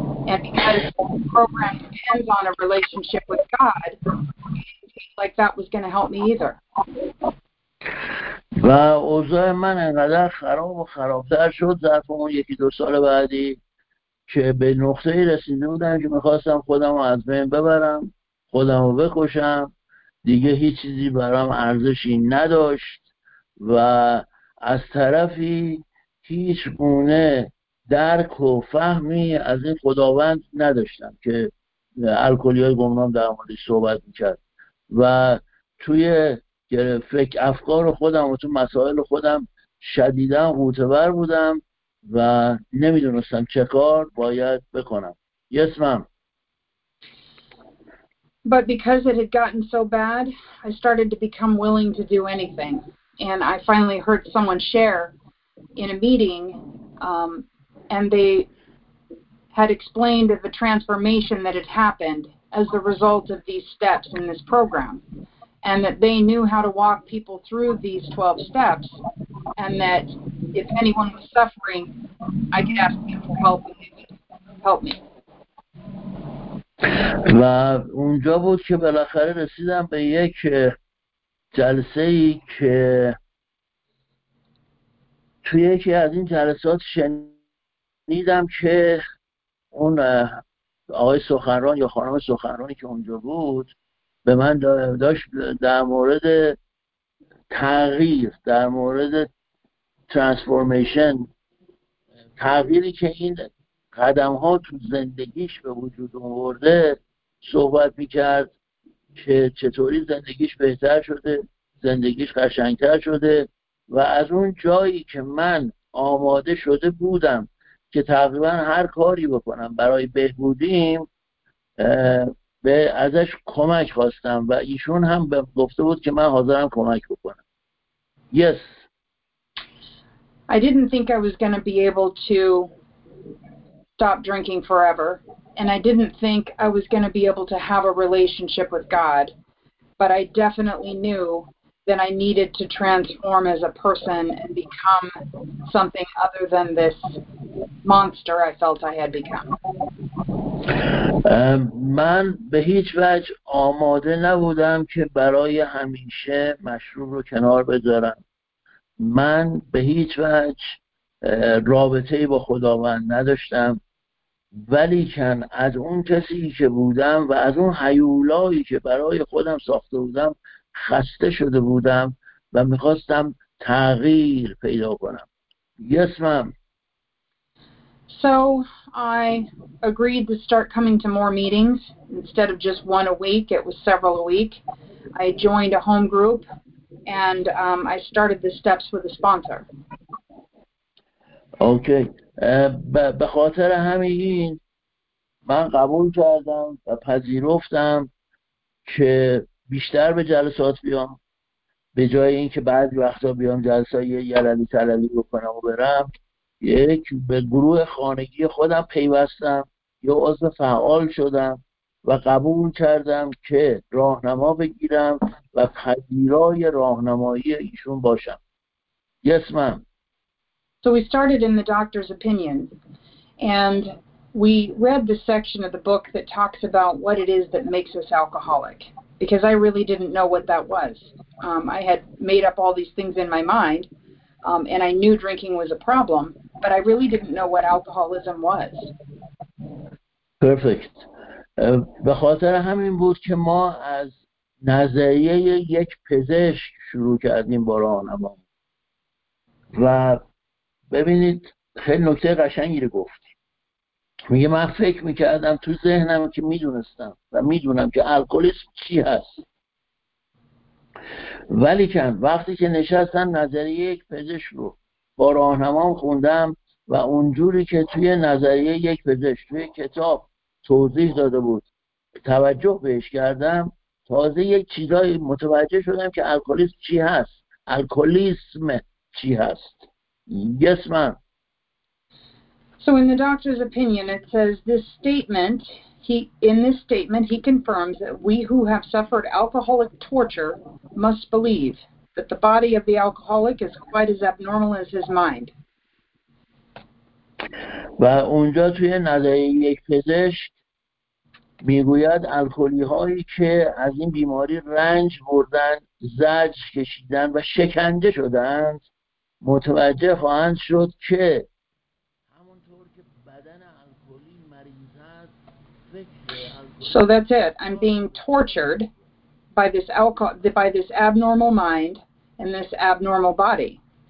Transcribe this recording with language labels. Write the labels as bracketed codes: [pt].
[en] And because the program depends on a relationship with God, it didn't seem like that was going to help me either. [fa] و اوضاع من انقدر خراب و خرابتر شد ظرف اون 1-2 سال بعدی که به نقطه رسیده بودم که میخواستم خودم رو از بین ببرم، خودم رو بکشم. دیگه هیچ چیزی برام ارزشی نداشت و از طرفی هیچ گونه درک و فهمی از این خداوند نداشتم که الکلی‌های گمنام در موردش صحبت میکرد. و توی فکر افکار خودم و تو مسائل خودم شدیداً غوطه‌ور بودم و نمیدونستم چه کار باید بکنم. [en] Yes, ma'am. But because it had gotten so bad, I started to become willing to do anything. And I finally heard someone share in a meeting, and they had explained of the transformation that had happened as the result of these steps in this program. And that they knew how to walk people through these 12 steps, and that if anyone was suffering, I could ask them for help and they would help me. [fa] و اونجا بود که بالاخره رسیدم به یک جلسه‌ای که توی یکی از این جلسات شنیدم که اون آقای سخنران یا خانم سخنرانی که اونجا بود به من داشت در مورد تغییر، در مورد ترانسفورمیشن، تغییری که این قدم ها تو زندگیش به وجود آورده صحبت میکرد که چطوری زندگیش بهتر شده، زندگیش قشنگتر شده. و از اون جایی که من آماده شده بودم که تقریبا هر کاری بکنم برای بهبودیم، به ازش کمک خواستم و ایشون هم به گفته بود که من حاضرم کمک بکنم. [en] Yes. I didn't think I was going to be able to stop drinking forever, and I didn't think I was going to be able to have a relationship with God, but I definitely knew that I needed to transform as a person and become something other than this monster I felt I had become. [fa] من به هیچ وجه آماده نبودم که برای همیشه مشروب رو کنار بذارم. من به هیچ وجه رابطه‌ای با خداوند نداشتم، ولیکن از اون کسی که بودم و از اون هیولایی که برای خودم ساخته بودم خسته شده بودم و میخواستم تغییر پیدا کنم. [en] Yes, ma'am. So I agreed to start coming to more meetings. Instead of just one a week, it was several a week. I joined a home group, and I started the steps with a sponsor. Okay. [fa] به خاطر همین من قبول کردم و پذیرفتم که بیشتر به جلسات بیام به جای اینکه بعضی وقتا بیام جلسات یه یلدی تللی بکنم و برم. یک به گروه خانگی خودم پیوستم، یه عضو فعال شدم و قبول کردم که راهنما بگیرم و پذیرای راهنمایی ایشون باشم. [en] Yes, ma'am. So we started in the doctor's opinion, and we read the section of the book that talks about what it is that makes us alcoholic, because I really didn't know what that was. I had made up all these things in my mind, and I knew drinking was a problem, but I really didn't know what alcoholism was. Perfect. [fa] به خاطر همین بود که ما از نظریه یک پزشک شروع کردیم با راهنما. و ببینید خیلی نکته قشنگی رو گفتیم. میگه من فکر میکردم تو ذهنم که میدونستم و میدونم که الکلیسم چی هست. ولی که وقتی که نشستم نظریه یک پزشک رو با راهنما خوندم و اونجوری که توی نظریه یک پزشک توی کتاب توضیح داده بود توجه بهش کردم، تازه یک چیزایی متوجه شدم که الکلیسم چی هست، الکلیسم چی هست. [en] Yes, ma'am. So in the doctor's opinion, it says this statement, he confirms that we who have suffered alcoholic torture must believe that the body of the alcoholic is quite as abnormal as his mind. [fa] و اونجا توی نظریه یک پزشک میگوید الکلی هایی که از این بیماری رنج بردن، زجر کشیدن و شکنجه شدند متوجه خواهند شد که همونطور که بدن الکلی مریض است. [en] So that's it. I'm being tortured by this alcohol, by this abnormal mind and this abnormal body.